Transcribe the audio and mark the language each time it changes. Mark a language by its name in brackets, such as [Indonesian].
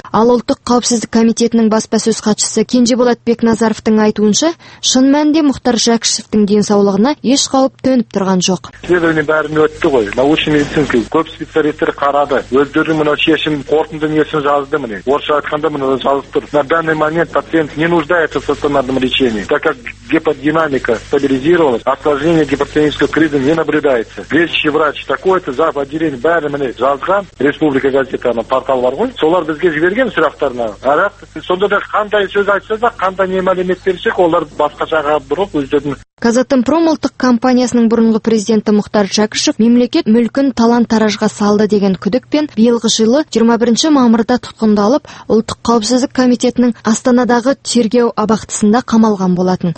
[Kazakh] Ал ұлттық қауіпсіздік комитетінің баспасөз хатшысы Кенжеболат Бекназаровтың айтуынша шын мәнінде Мұхтар Жәкішевтің денсаулығына еш қауіп төніп тұрған жоқ. [Russian] Исследование [Kazakh] бәріне өтті ғой, [Russian] научный медицинский [Kazakh] көп специалистер қарады. Өздері мына шешім қорытынды несін жазды міне. Орысша айтқанда мына жазып тұр. [Russian] На данный момент пациент не нуждается в стационарном лечении, так как геподинамика стабилизировалась, осложнение гипертонической кризы не наблюдается. Лечащий врач такой-то, зав. Отделение [Kazakh] бәрі міне жазған, Республика газетаның порталы бар ғой. Солар бізге жіберген сұрақтарына. Бірақ сонда да қандай сөз айтса да, қандай не мәлімет берсек, олар басқашаға бұрып өздерін. Қазатомпром ұлттық компаниясының бұрынғы президенті Мұхтар Жәкішев мемлекет мүлкін талан-таражға салды деген күдікпен биылғы жылы 21 мамырда тұтқындалып, Ұлттық қауіпсіздік комитетінің Астанадағы тергеу абақтысында қамалған болатын.